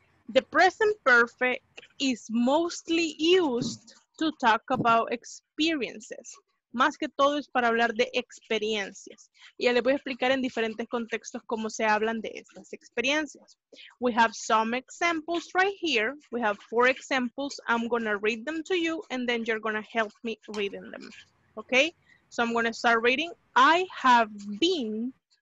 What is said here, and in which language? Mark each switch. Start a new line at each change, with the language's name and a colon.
English: The present perfect is mostly used to talk about experiences.
Spanish: Más que todo es para hablar de experiencias. Y ya les voy a explicar en diferentes contextos cómo se hablan de estas experiencias.
English: We have some examples right here. We have four examples. I'm going to read them to you and then you're going to help me reading them. Okay? So I'm going to start reading. I have been